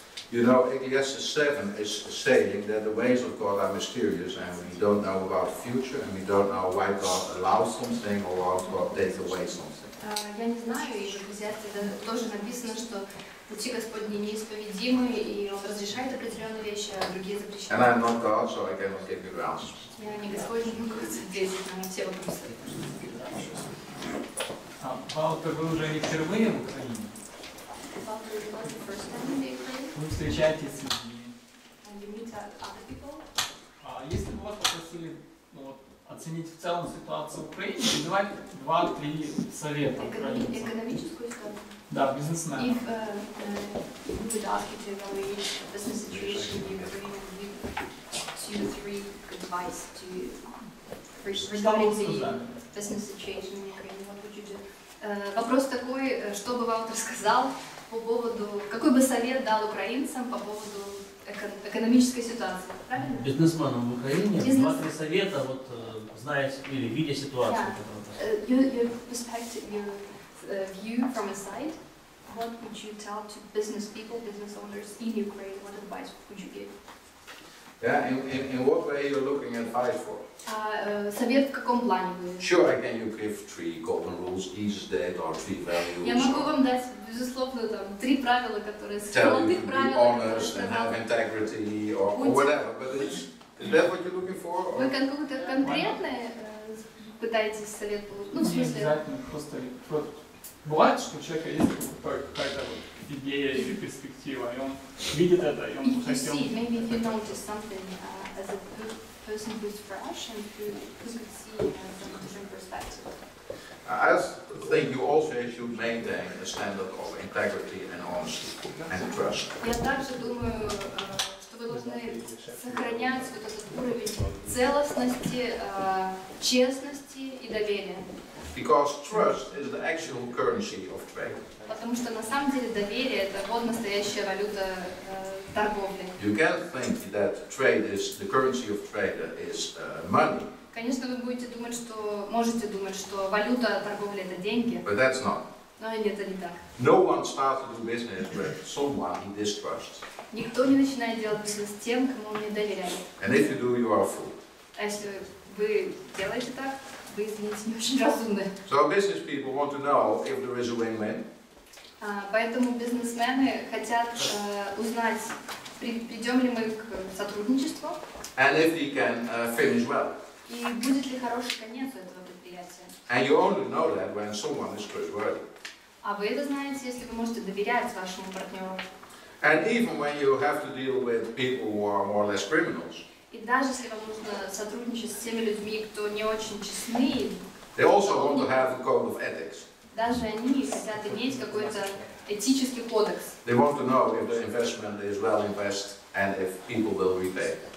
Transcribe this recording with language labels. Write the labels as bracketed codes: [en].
[en] You know, Ecclesiastes 7 is saying that the ways of God are mysterious and we don't know about the future and we don't know why God allows something or why God takes away something. [ru] Я не знаю, и в Ecclesiastes тоже написано, что пути Господни неисповедимы, и Он разрешает определенные вещи, а другие запрещают. [en] And I'm not God, so I cannot give you answers. [ru] Я не Господь, не могу ответить на все вопросы. А Паутер, вы уже не впервые в Украине? [en] Паутер, you were the first time in the Ukraine? [ru] Вы встречаетесь с людьми. [en] And you meet other people? [ru] Если бы вас попросили оценить в целом ситуацию в Украине, и давать 2-3 совета украинцам. Экономическую ситуацию? Да, бизнесмен. [en] If you would ask you to evaluate the business situation in Ukraine, you give 2-3 advice to you regarding the business situation in Ukraine, what would you do? [ru] Вопрос такой, что бы Ваутер сказал по поводу, какой бы совет дал украинцам по поводу экономической ситуации, правильно? Бизнесменам в Украине, 2-3 совета, вот, зная или видя ситуацию. [en] Yeah. View from a side, what would you tell to business people, business owners in Ukraine? What advice would you give? Yeah, in what way you're looking advice for? [ru] Совет в каком плане вы? [en] Sure, I can you give 3 golden rules, ease debt or 3 values. [ru] Я могу вам дать безусловно там 3 правила, которые. [en] Tell you to be honest and have integrity or whatever, but it's [ru] Вы какое-то конкретное пытаетесь совет получить? Ну, в смысле... Не обязательно, просто бывает, что у человека есть какая-то вот идея или перспектива, и он видит это, и он хотел... [en] You see, maybe you notice something as a person who is fresh and who could see from a different perspective. I think you also should maintain a standard of integrity and honesty and trust. [ru] Я также думаю, что вы должны сохранять вот этот уровень целостности, честности и доверия. [en] Because trust is the actual currency of trade. [ru] Потому что на самом деле доверие это вот настоящая валюта торговли. [en] You can think that trade is the currency of trade is money. [ru] Конечно, вы будете думать, что можете думать, что валюта торговли это деньги. [en] But that's not. [ru] Но нет, это не так. [en] No one starts to do business with someone he distrusts. [ru] Никто не начинает делать бизнес с тем, кому он не доверяет. [en] And if you do, you are a fool. [ru] А если вы делаете так, вы, извините, не очень разумны. [en] So business people want to know if there is a win-win. [ru] Поэтому бизнесмены хотят узнать, придем ли мы к сотрудничеству. [en] And if he can finish well. [ru] И будет ли хороший конец у этого предприятия? [en] And you only know that when someone is trustworthy. [ru] А вы это знаете, если вы можете доверять вашему партнеру? [en] And even when you have to deal with people who are more or less criminals. [ru] И даже если вам нужно сотрудничать с теми людьми, кто не очень честны. [en] They also want to have a code of ethics. [ru] Даже они хотят иметь какой-то этический кодекс. [en] They want to know if the investment is well invested and if people will repay.